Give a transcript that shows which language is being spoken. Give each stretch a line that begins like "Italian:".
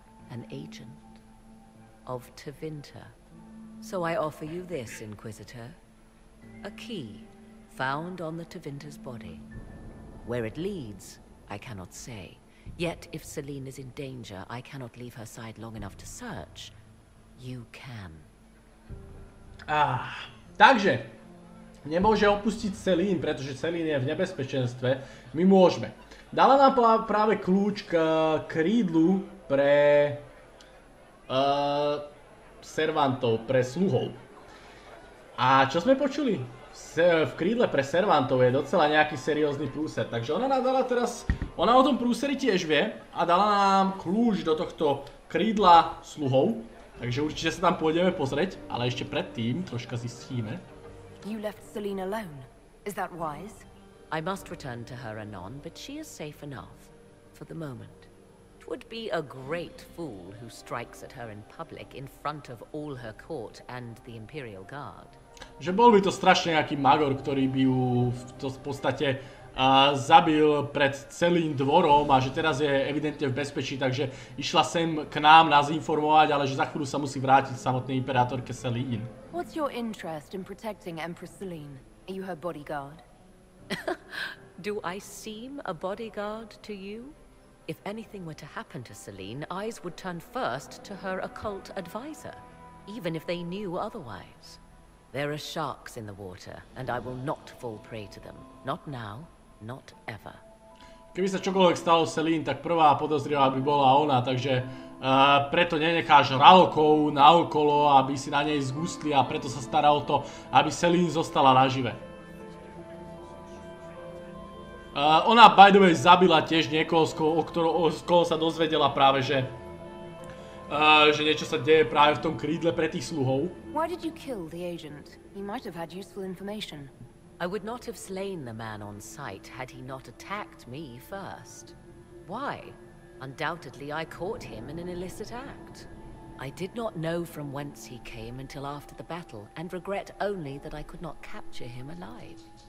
English: An agent of Tevinter. So I offer you this, Inquisitor. A key found on the Tevinter's body. Where it leads, I cannot say. Yet if Selene is in danger, I cannot leave her side long enough to search. You can.
Slovak: Takže. Nemôže opustiť Selene, pretože Selene je v nebezpečenstve. My môžeme. Dala nám práve kľúč k krídlu pre servantov, pre sluhov. A čo sme počuli? V krídle pre servantov je docela nejaký seriózny prúser. Takže ona nám dala teraz, ona o tom prúseri tiež vie a dala nám kľúč do tohto krídla sluhov. Takže určite sa tam pôjdeme pozrieť, ale ešte predtým troška zistíme.
English: You left Selene alone. Is that wise? I must return to her anon, but she is safe enough for the moment. 'Twould be a great fool who strikes at her in public in front of all her court and the Imperial Guard.
Slovak: Že bol by to strašne nejaký magor, ktorý by ju v to v podstate zabil pred celým dvorom a že teraz je evidentne v bezpečí, takže išla sem k nám nás informovať, ale že za chvíľu sa musí vrátiť samotnej imperátorke Selene.
English: What's your interest in protecting Empress Selene? Are you her bodyguard? Do I seem a bodyguard to you? If anything were to happen to Selene, eyes would turn first to her occult advisor, even if they knew otherwise. There are sharks in the water, and I will not fall prey to them. Not now, not ever.
Slovak: Keby sa čokoľvek stalo Selene, tak prvá podozrivá by bola ona, takže preto nenecháš ralokov naokolo, aby si na nej zgustli a preto sa stará o to, aby Selene zostala nažive. Ona
English: by the way
Slovak: zabila tiež niekoho, z koho sa dozvedela práve, že že niečo sa deje práve v tom krídle pre tých sluhov.
English: Why did you kill the agent? He might have had useful information. I would not have slain the man on sight had he not attacked me first. Why? Undoubtedly I caught him in an illicit act. I did not know from whence he came until after the battle, and regret only that I could not capture him alive.